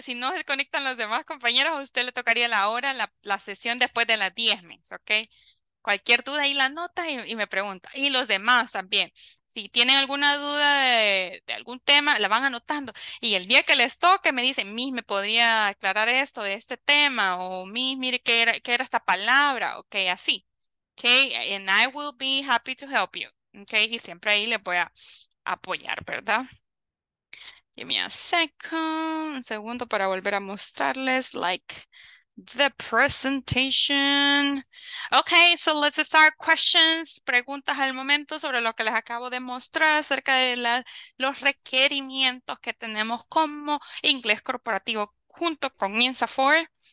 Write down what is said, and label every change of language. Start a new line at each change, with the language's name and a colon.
Spanish: Si no se conectan los demás compañeros, a usted le tocaría la hora, la sesión después de las 10, ¿okay? Cualquier duda ahí la nota y me pregunta. Y los demás también. Si tienen alguna duda de algún tema, la van anotando. Y el día que les toque, me dicen, Miss, ¿me podría aclarar esto de este tema? O Miss, mire, ¿qué era esta palabra? Ok, así.
English: Okay, and I will be happy to help you.
Spanish: Okay, y siempre ahí les voy a apoyar, ¿verdad?
English: Give me a second,
Spanish: un segundo para volver a mostrarles,
English: the presentation. Okay, so let's start questions.
Spanish: Preguntas al momento sobre lo que les acabo de mostrar acerca de los requerimientos que tenemos como inglés corporativo junto con INSAFOR.